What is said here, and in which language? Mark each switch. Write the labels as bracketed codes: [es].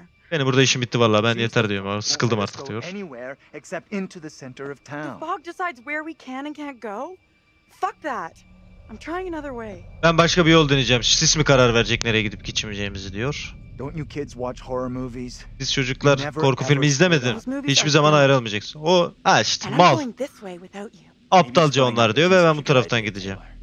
[tr] Benim burada işim bitti vallahi, ben yeter diyorum, sıkıldım artık diyor. [en] The fog decides where we can and can't go. Fuck that. I'm trying another way. [tr] Ben başka bir yol deneyeceğim. Sis mi karar verecek nereye gidip geçmeyeceğimizi diyor. [en] Don't you kids watch horror movies? [tr] Siz çocuklar korku filmi izlemedin. Hiçbir zaman ayrılmayacaksın. O işte mal. Aptalca onlar diyor ve ben bu taraftan gideceğim.